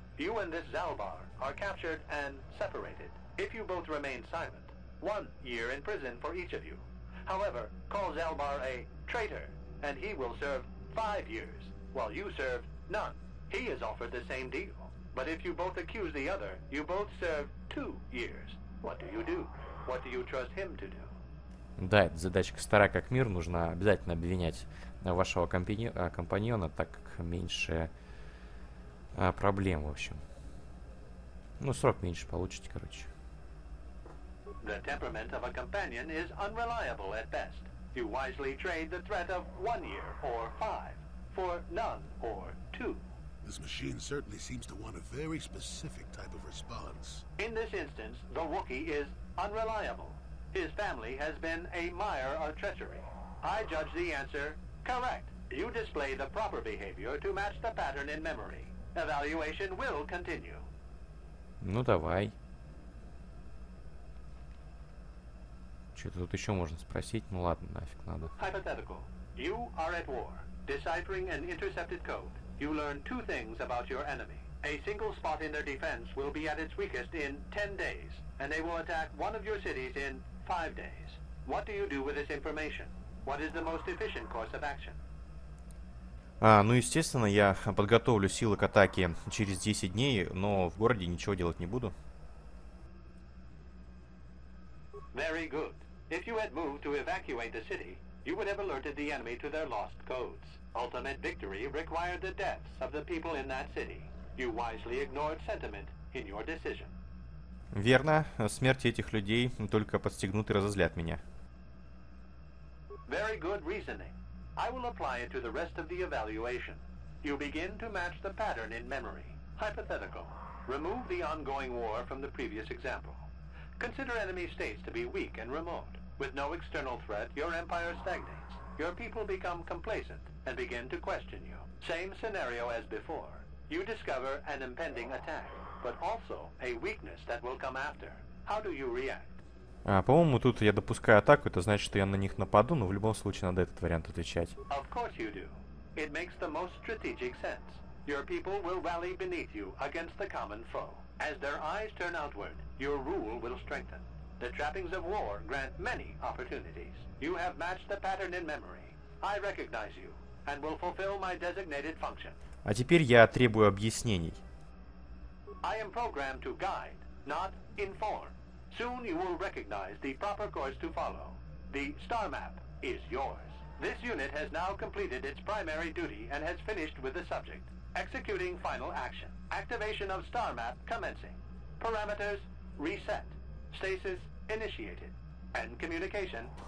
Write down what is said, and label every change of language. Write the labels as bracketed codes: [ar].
[en] You and this Zalbar are captured and separated. If you both remain silent, 1 year in prison for each of you. However, call Zalbar a traitor, and he will serve 5 years, while you serve none. He is offered the same deal. But if you both accuse the other, you both serve 2 years. What do you do? What do you trust him to do? [ru] Да, эта задачка старая как мир. Нужно обязательно обвинять вашего компаньона, так как меньше проблем, в общем. Ну, срок меньше получите, короче. [en] The temperament of a companion is unreliable at best. You wisely trade the threat of 1 year or 5 for none or 2. This machine certainly seems to want a very specific type of response. In this instance, the Wookiee is unreliable. His family has been a mire of treachery. I judge the answer correct. You display the proper behavior to match the pattern in memory. Evaluation will continue. [ru] Ну давай. Что-то тут еще можно спросить. Ну ладно, нафиг надо. [en] Hypothetical. You are at war, deciphering an intercepted code. You learn 2 things about your enemy. A single spot in their defense will be at its weakest in 10 days, and they will attack one of your cities in 5 days. What do you do with this information? What is the most efficient course of action? [ru] Ну естественно, я подготовлю силы к атаке через 10 дней, но в городе ничего делать не буду. [en] Very good. If you had moved to evacuate the city, you would have alerted the enemy to their lost codes. Ultimate victory required the deaths of the people in that city. You wisely ignored sentiment in your decision. [ru] Верно. Смерти этих людей только подстегнут и разозлят меня. [en] Very good reasoning. I will apply it to the rest of the evaluation. You begin to match the pattern in memory. Hypothetical. Remove the ongoing war from the previous example. Consider enemy states to be weak and remote. With no external threat, your empire stagnates. Your people become complacent and begin to question you. Same scenario as before. You discover an impending attack, but also a weakness that will come after. How do you react? [ru] По-моему, тут я допускаю атаку, это значит, что я на них нападу, но в любом случае надо этот вариант отвечать. [en] Of course you do. It makes the most strategic sense. Your people will rally beneath you against the common foe. As their eyes turn outward, your rule will strengthen. The trappings of war grant many opportunities. You have matched the pattern in memory. I recognize you and will fulfill my designated function. [ru] А теперь я требую объяснений. [en] I am programmed to guide, not inform. Soon you will recognize the proper course to follow. The star map is yours. This unit has now completed its primary duty and has finished with the subject. Executing final action. Activation of star map commencing. Parameters reset. Stasis initiated. End communication.